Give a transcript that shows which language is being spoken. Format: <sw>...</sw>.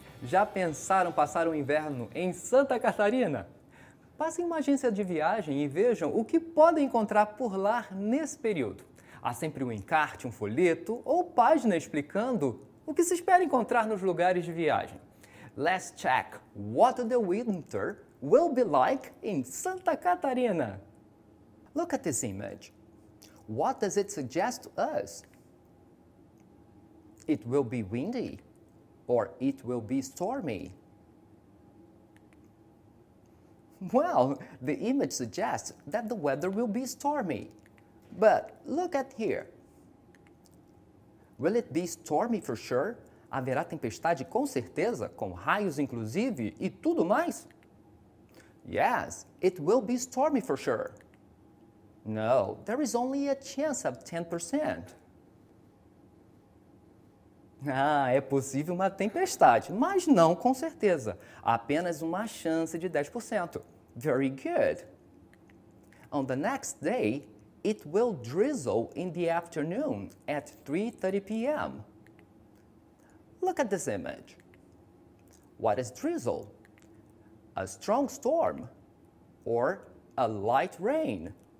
<pt>Já pensaram passar o inverno em Santa Catarina? Passem em uma agência de viagem e vejam o que podem encontrar por lá nesse período. Há sempre um encarte, um folheto ou página explicando o que se espera encontrar nos lugares de viagem.</pt> <en>Let's check what the winter will be like in Santa Catarina. Look at this image. What does it suggest to us? It will be windy, or it will be stormy. Well, the image suggests that the weather will be stormy. But look at here. Will it be stormy for sure?</en> <pt>Haverá tempestade com certeza, com raios inclusive e tudo mais?</pt> <en>Yes, it will be stormy for sure. No, there is only a chance of 10%.</en> <pt>Ah, é possível uma tempestade, mas não com certeza. Apenas uma chance de 10%.</pt> <en>Very good. On the next day, it will drizzle in the afternoon at 3:30 p.m. Look at this image. What is drizzle? A strong storm or a light rain?</en>